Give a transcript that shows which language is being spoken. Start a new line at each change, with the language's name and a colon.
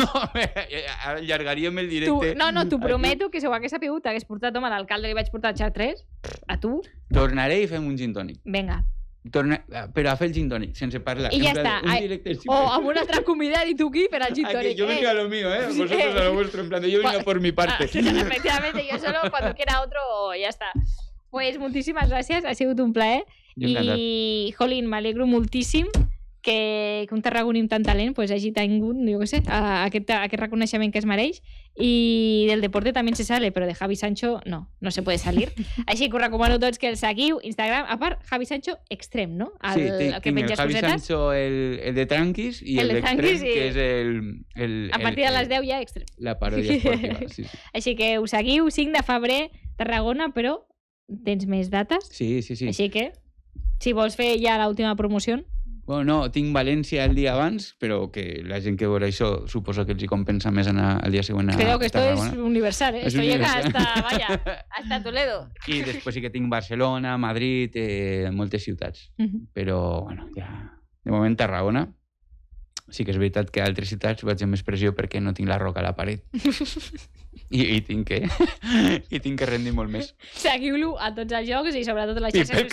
Catalan: No, ara allargaríem el directe. Tu, no, no, t'ho prometo que si ho hagués sabut t'hagués portat, home, l'alcalde li vaig portar Chartres, a tu. Tornaré i fem un gin tònic. Vinga. Però a fer el gin tònic, sense parlar. I ja està. O amb un altre convidat i tu aquí per al gin tònic. Jo venia
Spanish: a lo mío, eh? Vosotros a lo vuestro, en plan, yo venia por mi parte. Efectivamente, yo solo cuando quiera otro, ya está.
Catalan: Pues moltíssimes gràcies, ha sigut un plaer. I, jolín, m'alegro moltíssim que un tarragoní amb tant talent pues, hagi tingut, jo què sé, aquest reconeixement que es mereix.
Spanish: I del deporte també se sale, però de Javi Sancho no, no se puede salir.
Catalan: Així que us recomano tots que el seguiu, Instagram, a part, Javi Sancho Extrem, no? Sí, tinc el Javi Sancho, el de Tranquis, i el de Tranquis, que és el... A partir de les 10 ja, Extrem. La paròdia esportiva, sí. Així que us seguiu, 5 de febrer, Tarragona, però tens més dates. Sí, sí, sí. Així que... Si vols fer ja l'última promoció. Bueno, no, tinc València el dia abans, però que la gent que veurà això suposo que els hi compensa més anar el dia següent a Tarragona.
Spanish: Creo que esto es universal, ¿eh? Esto llega hasta Toledo.
Catalan: I després sí que tinc Barcelona, Madrid, moltes ciutats. Uh-huh. Però, bueno, ja... De moment, Tarragona. Sí que és veritat que a altres ciutats vaig amb més pressió perquè no tinc la roca a la paret. I tinc que rendir molt més. Seguiu-lo a tots els jocs i sobretot a les xarxes socials.